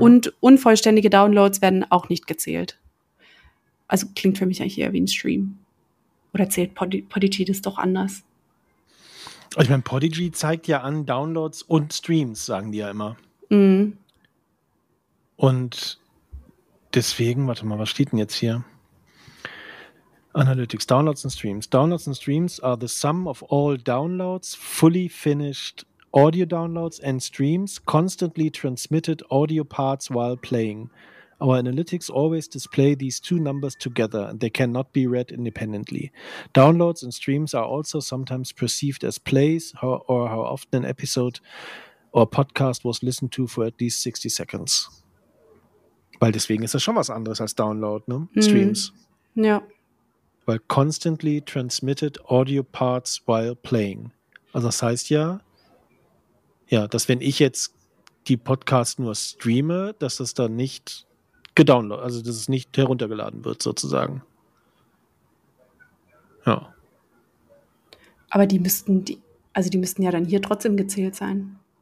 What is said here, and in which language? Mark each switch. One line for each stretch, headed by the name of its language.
German: Und unvollständige Downloads werden auch nicht gezählt. Also klingt für mich eigentlich eher wie ein Stream. Oder zählt Podigy das doch anders? Ich meine, Podigy zeigt ja an Downloads und Streams, sagen die ja immer. Mhm. Und deswegen, warte mal, was steht denn jetzt hier?
English: Analytics, Downloads and Streams. Downloads and Streams are the sum of all downloads, fully finished audio downloads and streams, constantly transmitted audio parts while playing. Our analytics always display these two numbers together and they cannot be read independently. Downloads and streams are also sometimes perceived as plays or how often an episode or podcast was listened to for at least 60 seconds.
German: Weil deswegen ist das schon was anderes als Download, ne? Streams. Ja. Yeah.
English: Weil constantly transmitted audio parts while playing.
German: Also das heißt ja, dass wenn ich jetzt die Podcast nur streame, dass das dann nicht gedownload, also dass es nicht heruntergeladen wird sozusagen. Ja. Aber die müssten ja dann hier trotzdem gezählt sein.